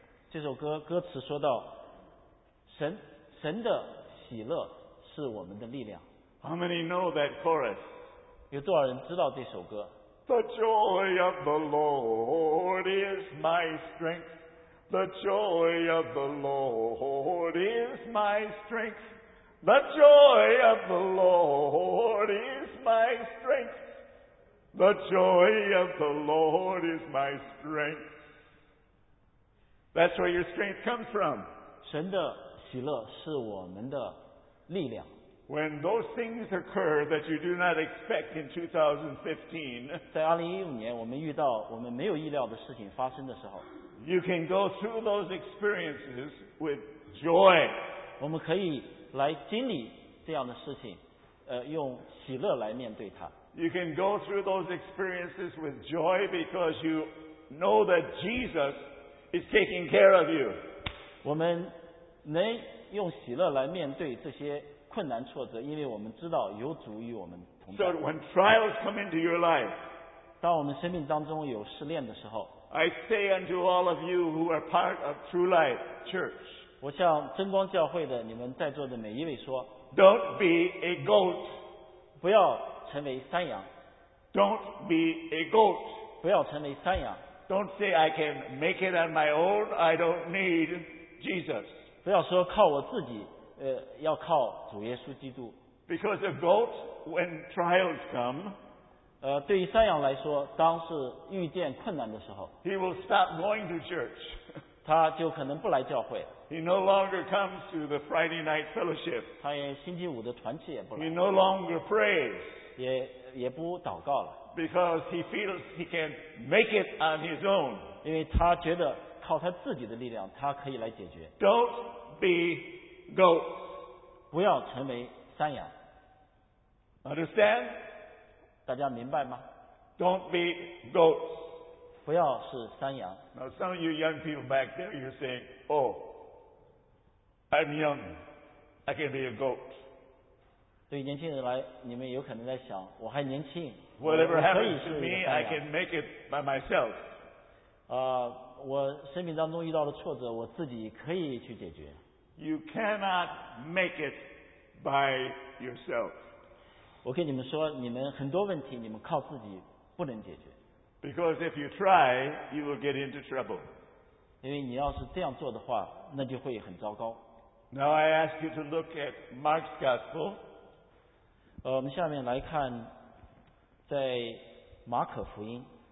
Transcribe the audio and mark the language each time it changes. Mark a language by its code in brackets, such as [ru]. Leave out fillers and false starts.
[zh] 这首歌歌词说到神的喜乐是我们的力量。 [en] How many know that chorus? [zh] 有多少人知道这首歌？ [en] The joy of the Lord is my strength. The joy of the Lord is my strength. The joy of the Lord is my strength. The joy of the Lord is my strength. That's where your strength comes from. [zh] 神的喜乐是我们的力量。 [en] When those things occur that you do not expect in 2015, [zh] 在2015年我们遇到我们没有意料的事情发生的时候， [en] you can go through those experiences with joy. [zh] 我们可以来经历这样的事情，用喜乐来面对它。 [en] You can go through those experiences with joy because you know that Jesus is taking care of you. [zh] 我们能用喜乐来面对这些困难挫折，因为我们知道有主与我们同在。 [en] So when trials come into your life, [zh] 当我们生命当中有试炼的时候， [en] I say unto all of you who are part of True Life Church, [zh] 我向真光教会的你们在座的每一位说， [en] Don't be a goat, [zh] 不要成为山羊。 [en] Don't be a goat, [zh] 不要成为山羊。 [en] Don't say I can make it on my own, I don't need Jesus, [zh] 不要说靠我自己，要靠主耶稣基督。 [en] Because a goat, when trials come, [zh] 对于山羊来说，当是遇见困难的时候， [en] he will stop going to church. [zh] 他就可能不来教会。 [en] He no longer comes to the Friday night fellowship. [zh] 他也星期五的团契也不来。 [en] He no longer prays. [zh] 也不祷告了。 [en] Because he feels he can make it on his own. [zh] 因为他觉得靠他自己的力量，他可以来解决。 [en] Don't be goat, [zh] 不要成为山羊。 [en] Understand? [zh] 大家明白吗？ [en] Don't be goats, [zh] 不要是山羊。 [en] Now some of you young people back there, you're saying, "Oh, I'm young, I can be a goat." [zh] 对年轻人来，你们有可能在想，我还年轻。 [en] Whatever happens to me, I can make it by myself. [zh] 我生命当中遇到的挫折，我自己可以去解决。 [en] You cannot make it by yourself. [zh] 我跟你们说，你们很多问题你们靠自己不能解决。 [en] Because if you try, you will get into trouble. [zh] 因为你要是这样做的话，那就会很糟糕。 [en] Now I ask you to look at Mark's Gospel. [zh] 我们下面来看在马可福音。